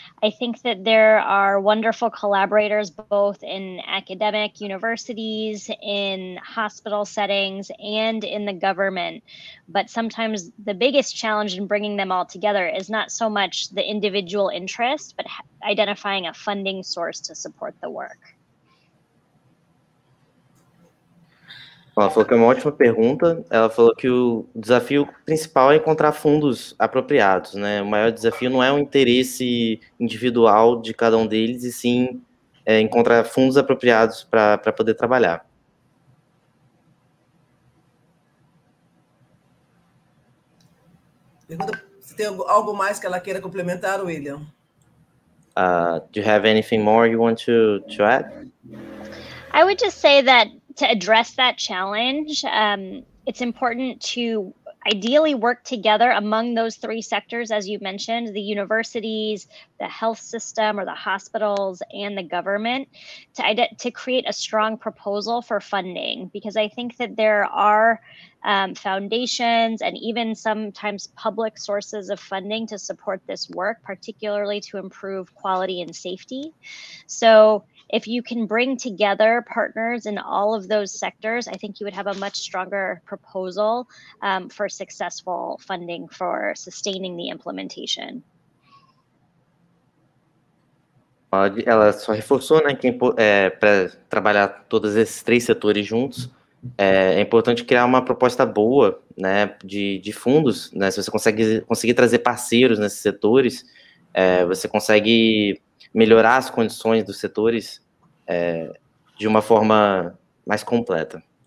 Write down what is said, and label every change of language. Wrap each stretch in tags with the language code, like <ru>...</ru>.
<en>I think that there are wonderful collaborators, both in academic universities, in hospital settings, and in the government. But sometimes the biggest challenge in bringing them all together is not so much the individual interest, but identifying a funding source to support the work.</en> <pt>Ela falou que é uma ótima pergunta. Ela falou que o desafio principal é encontrar fundos apropriados, né? O maior desafio não é o interesse individual de cada um deles, e sim encontrar fundos apropriados para poder trabalhar. Pergunta, se tem algo mais que ela queira complementar, William?</pt> <en>Do you have anything more you want to add? I would just say that to address that challenge, it's important to ideally work together among those three sectors, as you mentioned, the universities, the health system or the hospitals, and the government, to create a strong proposal for funding. Because I think that there are foundations and even sometimes public sources of funding to support this work, particularly to improve quality and safety. So if you can bring together partners in all of those sectors, I think you would have a much stronger proposal for successful funding for sustaining the implementation.</en> <pt>Ela só reforçou, né, que para trabalhar todos esses três setores juntos, é importante criar uma proposta boa, né, de fundos, né, se você conseguir trazer parceiros nesses setores, você consegue melhorar as condições dos setores de uma forma mais completa.</pt>